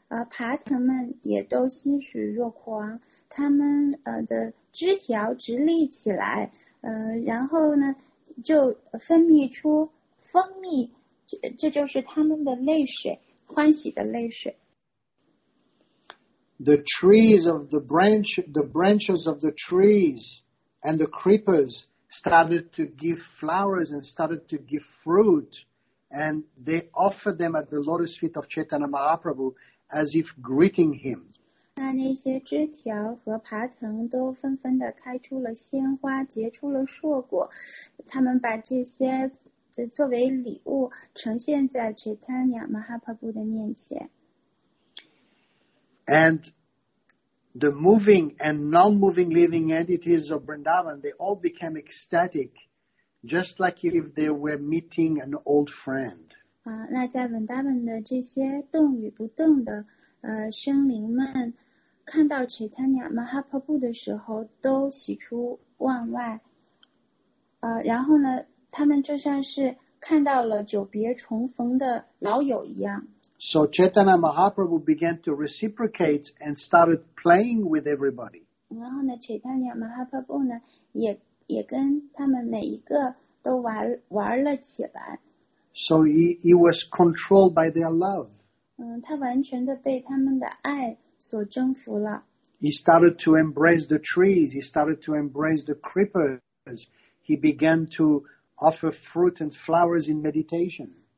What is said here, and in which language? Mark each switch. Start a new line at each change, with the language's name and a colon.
Chinese: 爬藤们也都欣喜若狂，他们的枝条直立起来，然后呢就分泌出蜂蜜，这就是他们的泪水，欢喜的泪水。
English: The trees of the branch, the branches of the trees and the creepers started to give flowers and started to give fruit, and they offered them at the lotus feet of Chaitanya Mahaprabhu as if greeting him.
Chinese: 那些枝条和爬藤都纷纷地开出了鲜花，结出了硕果，他们把这些作为礼物呈现在 Chaitanya Mahaprabhu 的面前。
English: And the moving and non-moving living entities of Vrindavan, they all became ecstatic, just like if they were meeting an old friend.
Chinese: 那在 Vrindavan 的这些动与不动的生灵们看到 Chaitanya Mahaprabhu 的时候都喜出望外。然后呢他们就像是看到了久别重逢的老友一样。
English: So Chaitanya Mahaprabhu began to reciprocate and started playing with everybody.
Chinese: 然后呢 Chaitanya Mahaprabhu 呢也跟他们每一个都玩了起来。
English: So he was controlled by their love.
Chinese: 他完全的被他们的爱所征服了。
English: He started to embrace the trees. He started to embrace the creepers. He began to offer fruit and flowers in meditation.